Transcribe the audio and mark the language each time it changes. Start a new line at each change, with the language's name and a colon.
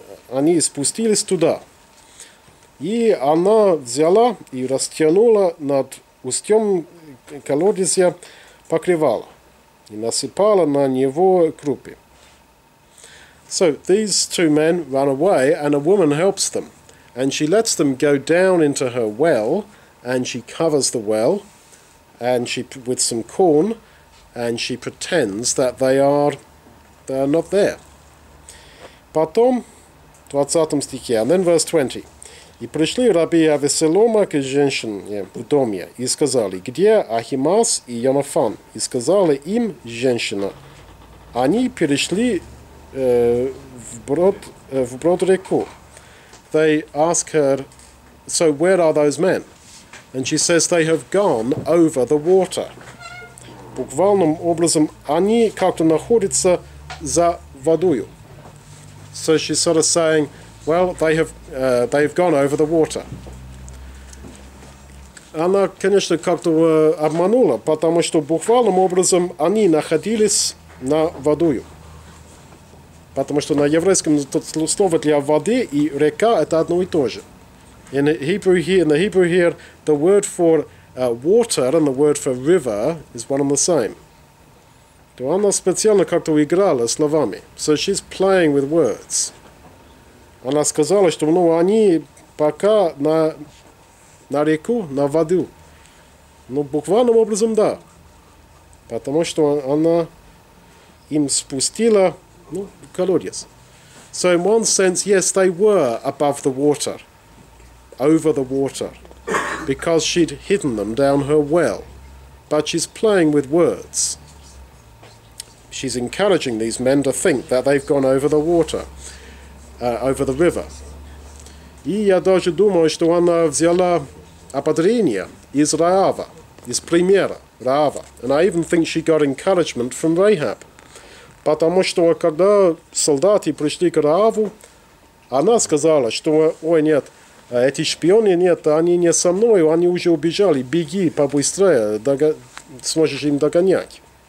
Russian: Они спустились туда. И она взяла и растянула над устьем колодезя покрывало. И насыпала на него крупы.
English: So, these two men run away, and a woman helps them. And she lets them go down into her well, and she covers the well and she with some corn, and she pretends that they are not there.
Russian: Потом, 20 стихе,
English: and then verse 20.
Russian: И пришли рабы Авессалома к женщине в доме, и сказали, где Ахимаас и Йонафан? И сказали им женщина, они перешли вброд реку.
English: They ask her, so where are those men? And she says, they have gone over the water.
Russian: Буквальным образом, они как-то находятся за водою.
English: So she's sort of saying, well, they've gone over the water.
Russian: Она, конечно, как-то обманула, потому что буквальным образом они находились на водою. Потому что на еврейском слово для воды и река это одно и то же.
English: In the Hebrew here, the word for water and the word for river is one and the same.
Russian: То она специально как-то играла словами.
English: So she's playing with words.
Russian: Она сказала, что ну, они пока на реку, на воду. Ну, буквальным образом, да. Потому что она им спустила, ну, колодец.
English: So in one sense, yes, they were above the water, over the water, because she'd hidden them down her well. But she's playing with words. She's encouraging these men to think that they've gone over the water, over the river.
Russian: И я даже думаю, что она взяла ободрение из Раава, из примера Раава.
English: And I even think she got encouragement from Rahab.
Russian: Потому что когда солдаты пришли к Рааву, она сказала, что, ой, нет, эти шпионы, нет, они не со мной, они уже убежали, беги побыстрее, сможешь им догонять.